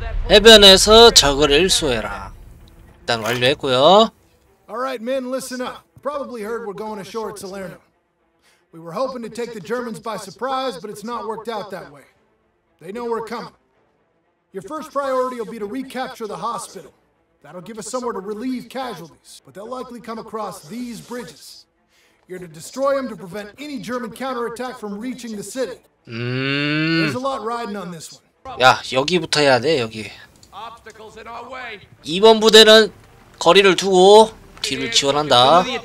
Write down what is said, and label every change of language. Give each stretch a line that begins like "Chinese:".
Korean: 해변에서 적을 일소해라. 일단 완료했고요.
English: All right, men, listen up. Probably heard we're going ashore at Salerno. We were hoping to take the Germans by surprise, but it's not worked out that way. They know we're coming. Your first priority will be to recapture the hospital. That'll give us somewhere to relieve casualties, but they'll likely come across these bridges. You're to destroy them to prevent any German counterattack from reaching the city. There's a lot riding on this one.
Korean: 야, 여기부터 해야 돼, 여기. 2번 부대는 거리를 두고 뒤를 지원한다.